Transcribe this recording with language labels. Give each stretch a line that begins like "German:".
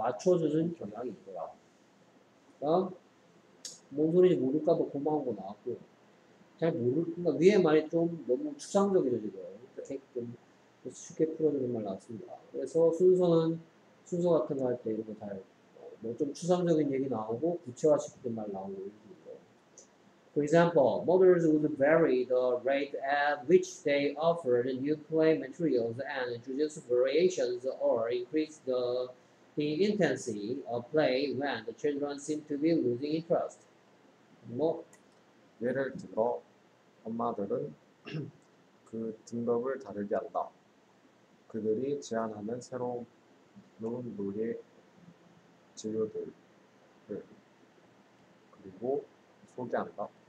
Korean: 맞춰주는 경향이 있더라. 다음. 뭔 소리인지 모를까봐 고마운 거 나왔고. 잘 모를, 그니까 위에 말이 좀 너무 추상적이죠, 지금. 좀 쉽게 풀어주는 말 나왔습니다. 그래서 순서는, 순서 같은 거 할 때 이런 거 잘, 뭐 좀 추상적인 얘기 나오고 구체화 시키는 말 나오고 이런 거.
English: For example, mothers would vary the rate at which they offered new play materials and introduced variations or increased the intensity of play when the children seemed to be losing interest.
Korean: 뭐? 예를 들어, 엄마들은 그 등급을 다르게 한다. 그들이 제안하는 새로운 놀이 재료들을 그리고 소개한다.